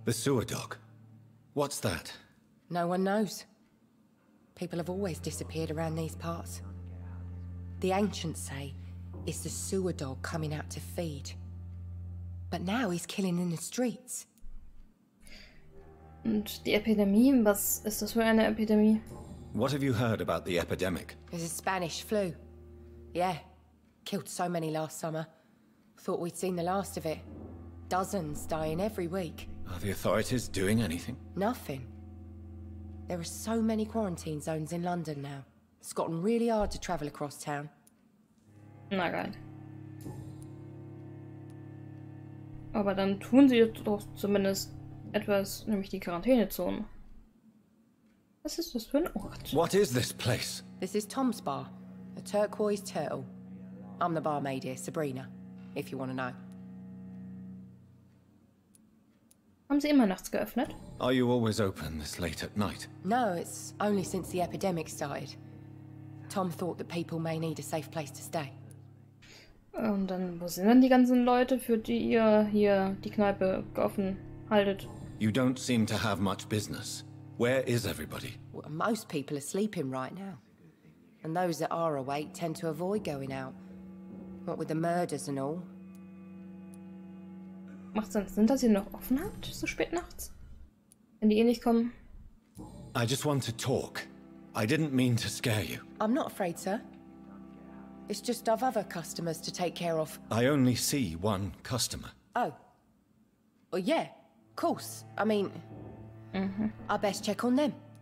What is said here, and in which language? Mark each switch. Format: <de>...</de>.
<en>The sewer dog? What's that? No one knows. People have always disappeared around these parts. The ancients say it's the sewer dog coming out to feed. But now he's killing in the streets.</en> <de>Und die Epidemie, was ist das für eine Epidemie?</de> <en>What have you heard about the epidemic? It's a Spanish flu. Yeah. Killed so many last summer. Thought we'd seen the last of it. Dozens dying every week. Are the authorities doing anything? Nothing. There are so many quarantine zones in London now. It's gotten really hard to travel across town.</en> <de>Na geil. Aber dann tun sie doch zumindest etwas, nämlich die Quarantänezone. Was ist das für ein Ort?</de> <en>What is this place? This is Tom's Bar, a turquoise turtle. I'm the barmaid here, Sabrina, if you want to know.</en> <de>Haben sie immer nachts geöffnet?</de> <en>Are you always open this late at night? No, it's only since the epidemic started. Tom thought that people may need a safe place to stay.</en> <de>Und dann, wo sind denn die ganzen Leute, für die ihr hier die Kneipe offen haltet?</de> <en>You don't seem to have much business. Where is everybody? Well, most people are sleeping right now. And those that are awake tend to avoid going out. What with the murders and all.</en> <de>Macht Sinn, sind das hier noch offen hat, so spät nachts? Wenn die eh nicht kommen.</de> <en>I just want to talk. I didn't mean to scare you. I'm not afraid, sir. It's just I've other customers to take care of. I only see one customer. Oh. Well, yeah, of course. I mean, I best check on them.</en>